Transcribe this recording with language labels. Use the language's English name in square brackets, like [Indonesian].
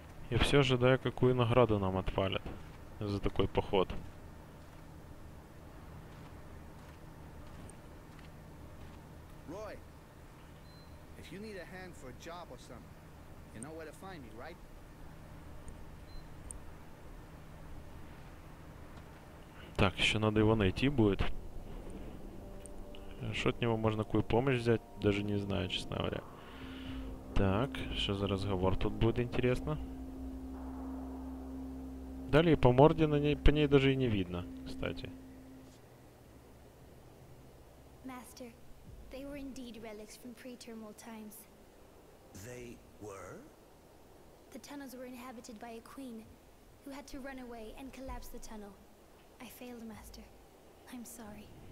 [Russian] Я все ожидаю, какую награду нам отвалят за такой поход. [English] Roy, if you need a hand for a job or something, you know where to find me, right? [Russian] Так, еще надо его найти будет. Что от него можно какую помощь взять? Даже не знаю, честно говоря. Так, что за разговор тут будет, интересно? Далее по морде на ней, по ней даже и не видно, кстати. [English] Master, they were indeed relics from pre-termal times. They were? The tunnels were inhabited by a queen, who had to run away and collapse the tunnel. I failed, Master. I'm sorry.